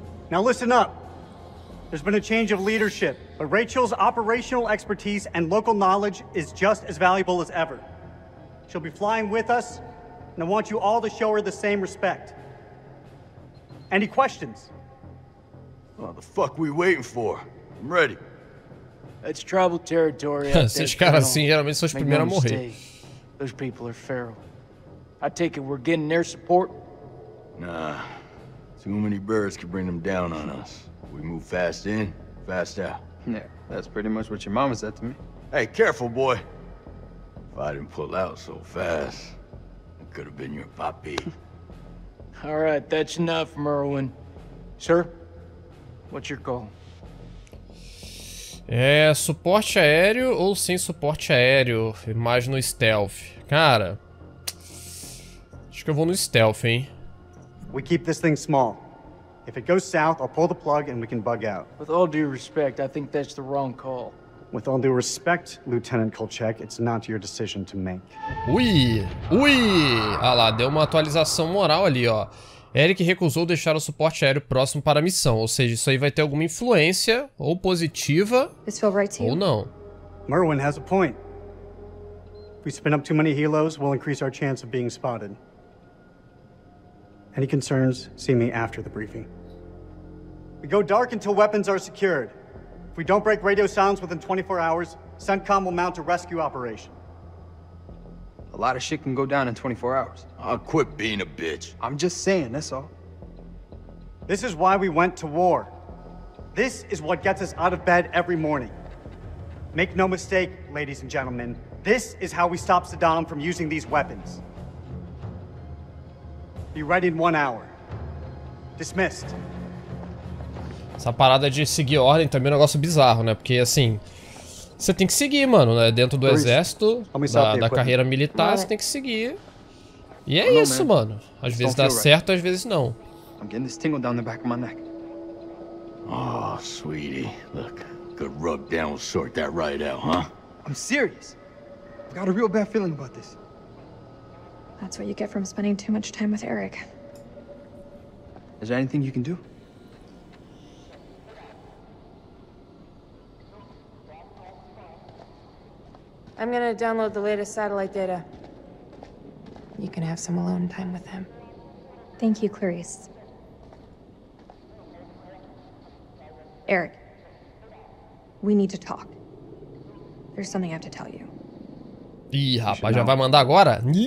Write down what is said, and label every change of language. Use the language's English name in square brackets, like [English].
[English] Now listen up. There's been a change of leadership, but Rachel's operational expertise and local knowledge is just as valuable as ever. She'll be flying with us, and I want you all to show her the same respect. Any questions? What the fuck are we waiting for? I'm ready. It's tribal territory. [Portuguese] Esses caras assim geralmente são os primeiros a morrer. [English] Those people are feral. I take it we're getting their support? Nah. Too many birds could bring them down on us. We move fast in, fast out. Yeah, that's pretty much what your mama said to me. Hey, careful, boy. If I didn't pull out so fast, it could have been your papi. All right, that's enough, Merwin. Sir, what's your call? [Portuguese] É suporte aéreo ou sem suporte aéreo, mais no stealth. Cara, acho que eu vou no stealth, hein? [English] We keep this thing small. If it goes south, I'll pull the plug and we can bug out. With all due respect, I think that's the wrong call. With all due respect, Lieutenant Kolchak, it's not your decision to make. Ui! Ui! [Portuguese] Ah lá, deu uma atualização moral ali, ó. Eric recusou deixar o suporte aéreo próximo para a missão, ou seja, isso aí vai ter alguma influência, ou positiva, ou não. [English] Merwin has a point. If we spin up too many helos, we'll increase our chance of being spotted. Any concerns, see me after the briefing. We go dark until weapons are secured. If we don't break radio silence within 24 hours, CENTCOM will mount a rescue operation. A lot of shit can go down in 24 hours. I'll quit being a bitch. I'm just saying, that's all. This is why we went to war. This is what gets us out of bed every morning. Make no mistake, ladies and gentlemen, this is how we stop Saddam from using these weapons. Be ready in 1 hour. Dismissed. [Portuguese] Essa parada de seguir ordem também é um negócio bizarro, né? Porque assim, você tem que seguir, mano, né? Dentro do exército, da carreira militar, você tem que seguir. E é isso, mano. Às vezes dá certo, às vezes não. [English] I'm getting this tingle down the back of my neck. Oh, sweetie. Look, good rub down will sort that right out, huh? I'm serious. I've got a real bad feeling about this. That's what you get from spending too much time with Eric. Is there anything you can do? I'm gonna download the latest satellite data. You can have some alone time with him. Thank you, Clarice. Eric, we need to talk. There's something I have to tell you. [Portuguese] Ih, rapaz, já vai mandar agora?